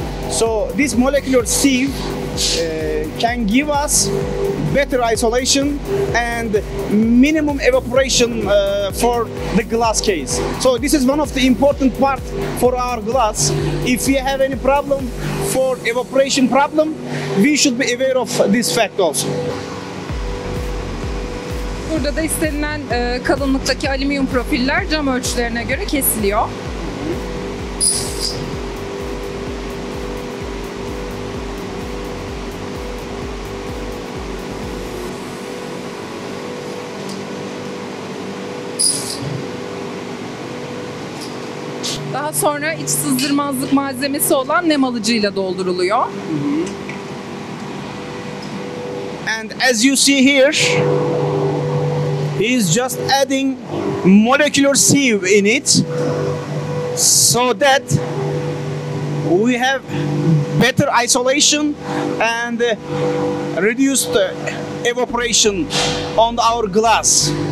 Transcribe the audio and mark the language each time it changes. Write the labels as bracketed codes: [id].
[en] So this molecular sieve can give us better isolation and minimum evaporation for the glass case. So this is one of the important part for our glass. If you have any problem for evaporation problem, we should be aware of this fact also. [tr] Burada da istenilen kalınlıktaki alüminyum profiller cam ölçülerine göre kesiliyor. Daha sonra iç sızdırmazlık malzemesi olan nem alıcıyla dolduruluyor. [en] And as you see here, he is just adding molecular sieve in it, so that we have better isolation and reduced evaporation on our glass.